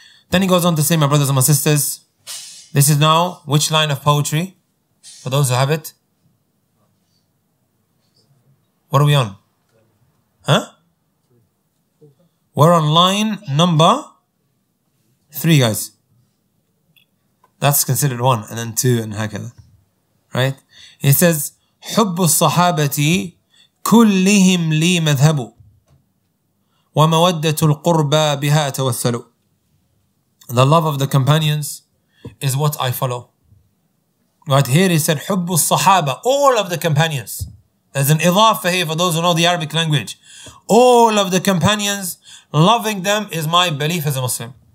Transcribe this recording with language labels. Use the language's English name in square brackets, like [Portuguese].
[English] Then he goes on to say, my brothers and my sisters, this is now which line of poetry? For those who have it. What are we on? Huh? We're on line number 3, guys. That's considered 1, and then 2, and [Arabic] هكذا. [English] Right? [Arabic] He says, حب الصحابة كلهم لي مذهب ومودة القربى بها توسل. [English] The love of the companions is what I follow. Right here he said, [Arabic] حب الصحابة, [English] all of the companions. There's an إضافة here for those who know the Arabic language. All of the companions, loving them is my belief as a Muslim.